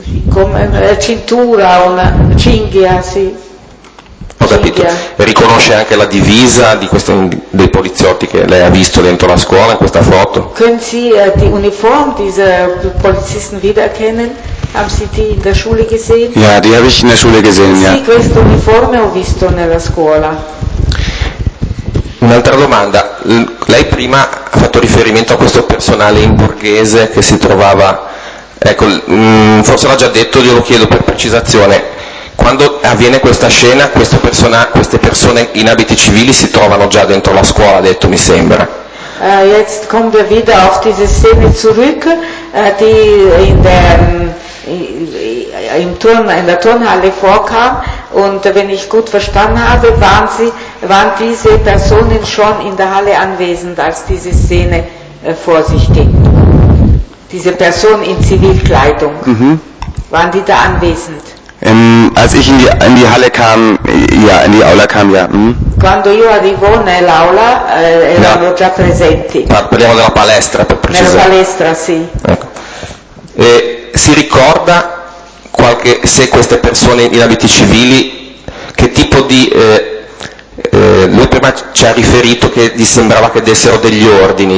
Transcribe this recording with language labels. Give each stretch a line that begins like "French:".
Italian: come cintura, una cinghia, sì. Ho capito. E riconosce anche la divisa di questo, dei poliziotti che lei ha visto dentro la scuola in questa foto?
German: Können Sie die Uniform dieser Polizisten wiedererkennen? Haben Sie die in der Schule gesehen? Ja, die habe ich in der Schule gesehen, ja.
Italian: Sì, questa uniforme ho visto nella scuola. Un'altra domanda. Lei prima ha fatto riferimento a questo personale in borghese che si trovava... Ecco, forse l'ha già detto, glielo chiedo per precisazione. Quando avviene questa scena, queste persone in abiti civili si trovano già dentro la scuola, ha detto, mi sembra.
German: Jetzt kommen wir wieder auf diese Szene zurück, in der Turnhalle vorkam, und wenn ich gut verstanden habe, waren diese Personen schon in der Halle anwesend, als diese Szene vor sich ging. Diese Person in Zivilkleidung, waren die da anwesend? Als ich in die Halle kam, ja, in die Aula kam, ja.
Italian: Quando io arrivo nell'aula, erano già presenti. Parliamo della palestra, per precisare. Nella palestra, sì. Ecco. Si ricorda se queste persone in abiti civili, che tipo di lui prima ci ha riferito che gli sembrava che dessero degli ordini.